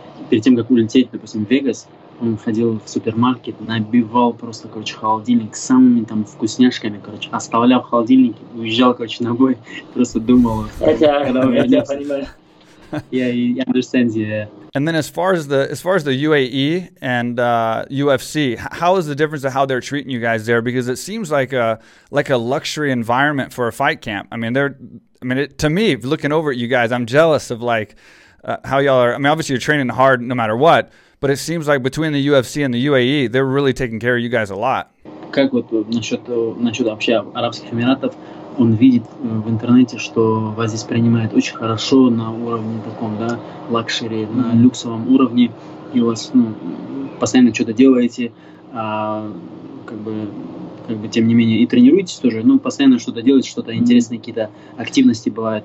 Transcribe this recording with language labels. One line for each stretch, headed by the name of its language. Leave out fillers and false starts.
Russian: Перед тем, как улететь, допустим, в Вегас, он ходил в супермаркет, набивал просто, короче, холодильник самыми там вкусняшками, короче, оставлял в холодильнике, уезжал, короче, ногой, просто думал, когда увидел.
English: Yeah, I understand, yeah. And then as far as the UAE and UFC, how is the difference of how they're treating you guys there? Because it seems like a luxury environment for a fight camp. To me, looking over at you guys, I'm jealous of how y'all are. I mean, obviously you're training hard no matter what, but it seems like between the UFC and the UAE, they're really taking care of you guys a lot.
Russian: Как вот насчет вообще Арабских Эмиратов? Он видит в интернете, что вас здесь принимают очень хорошо на уровне таком, да, лакшери, на люксовом уровне, и у вас, ну, постоянно что-то делаете, а, как бы тем не менее, и тренируетесь тоже, но постоянно что-то делаете, что-то интересное, какие-то активности бывают.